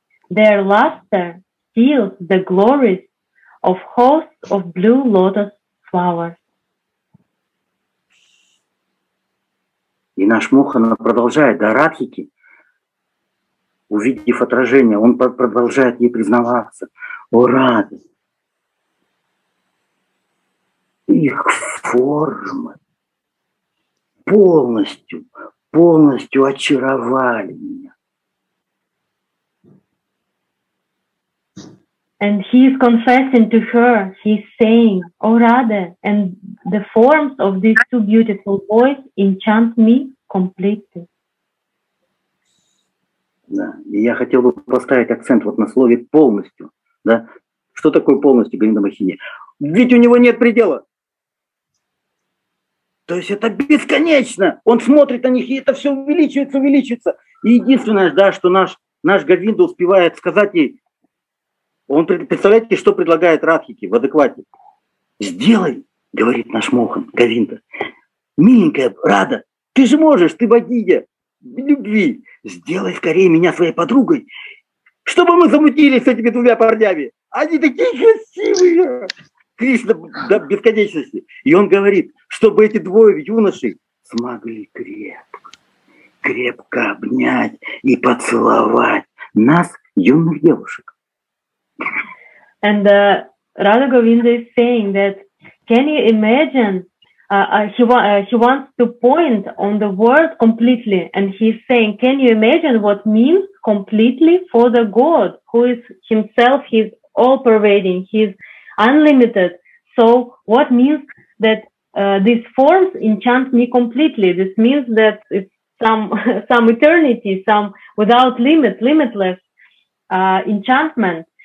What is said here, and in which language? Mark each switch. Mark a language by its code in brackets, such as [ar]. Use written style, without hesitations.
[en] Their luster steals the glories of hosts of blue lotus flowers. [ru] И наш Мохана продолжает, да, Радхики, увидев отражение, он продолжает ей признаваться: о, Рада, их формы полностью, полностью очаровали меня. [en] And he is confessing to her, he's saying, O Radha, and the forms of these two beautiful boys enchant me completely. [ru] Да, и я хотел бы поставить акцент вот на слове полностью. Да? Что такое полностью, Гриндамахини? Ведь у него нет предела. То есть это бесконечно. Он смотрит на них, и это все увеличивается, увеличивается. И единственное, да, что наш Говинда успевает сказать ей, он, представляете, что предлагает Радхике в адеквате? Сделай, говорит наш Мохан, Говинда. Миленькая Рада, ты же можешь, ты богиня любви. Сделай скорее меня своей подругой, чтобы мы замутились с этими двумя парнями. Они такие красивые. Кришна до бесконечности. И он говорит, чтобы эти двое юношей смогли крепко обнять и поцеловать нас, юных девушек. [en] And Radha Govinda is saying that, can you imagine, he wants to point on the word completely, and he's saying, can you imagine what means completely for the God, who is himself, he's all-pervading, he's unlimited, so what means that these forms enchant me completely, this means that it's some eternity, some without limit, limitless enchantment.